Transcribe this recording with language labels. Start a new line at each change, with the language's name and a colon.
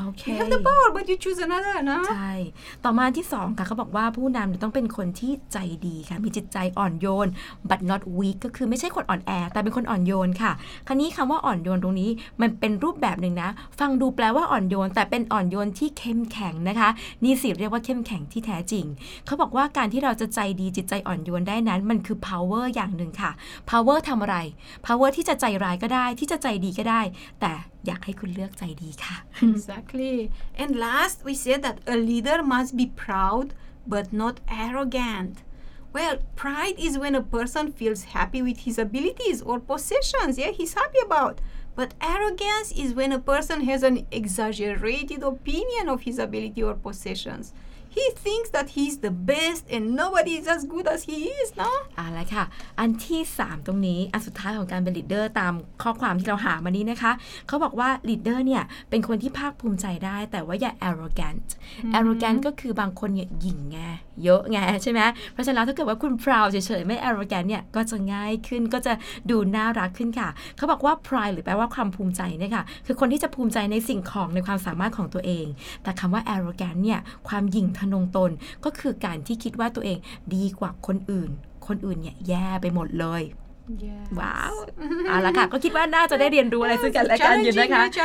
English: Okay. You have the power but you choose another, no?
Thai: ใช่ต่อมาที่สองค่ะเขาบอกว่าผู้นำต้องเป็นคนที่ใจดีค่ะมีจิตใจอ่อนโยน
English: but not weak
Thai: ก็คือไม่ใช่คนอ่อนแอแต่เป็นคนอ่อนโยนค่ะคราวนี้คำว่าอ่อนโยนตรงนี้มันเป็นรูปแบบหนึ่งนะฟังดูแปลว่าอ่อนโยนแต่เป็นอ่อนโยนที่เข้มแข็งนะคะนี่สิเรียกว่าเข้มแข็งที่แท้จริงเขาบอกว่าการที่เราจะใจดีจิตใจอ่อนโยนได้นั้นมันคือ power อย่างนึงค่ะ power ทำอะไร power ที่จะใจร้ายก็ได้ที่จะใจดีก็ได้แต่อยากให้คุณเลือกใจดีค่ะ
English: Exactly and last we said that a leader must be proud but not arrogant well pride is when a person feels happy with his abilities or possessions yeah he's happy about but arrogance is when a person has an exaggerated opinion of his ability or possessionsHe thinks that he's the best and nobody is as good as he is, no?
Thai: อะไรค่ะอันที่3ตรงนี้อันสุดท้ายของการเป็นลีดเดอร์ตามข้อความที่เราหามานี้นะคะเขาบอกว่าลีดเดอร์เนี่ยเป็นคนที่ภาคภูมิใจได้แต่ว่าอย่า arrogant arrogant ก็คือบางคนเนี่ยหยิ่งไงเยอะไงใช่ไหมเพราะฉะนั้นถ้าเกิดว่าคุณ proud เฉยๆไม่ arrogant เนี่ยก็จะง่ายขึ้นก็จะดูน่ารักขึ้นค่ะเขาบอกว่า pride หรือแปลว่าความภูมิใจเนี่ยค่ะคือคนที่จะภูมิใจในสิ่งของในความสามารถของตัวเองแต่คำว่า arrogant เนี่ยความหยิ่งทนงตนก็คือการที่คิดว่าตัวเองดีกว่าคนอื่นคนอื่นเนี่ยแย่ไปหมดเลยว้าวเอาละค่ะก็คิดว่าน่าจะได้เรียนรู้อะไรซึ่งกันและกันอยู่นะคะ